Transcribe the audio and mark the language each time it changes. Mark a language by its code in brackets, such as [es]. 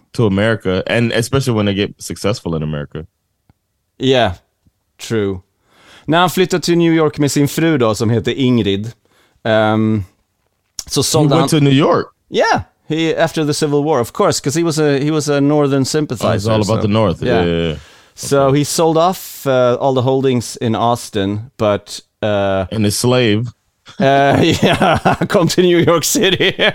[en] To America, and especially when they get successful in America. Yeah, true. [sv] När han flyttade till New York med sin fru då, som heter Ingrid. [en] Went to New York? Yeah, after the Civil War, of course, because he was a northern sympathizer. Oh, it's all about the North. Yeah. Okay. So he sold off all the holdings in Austin, but... And his slave... yeah, come to New York City.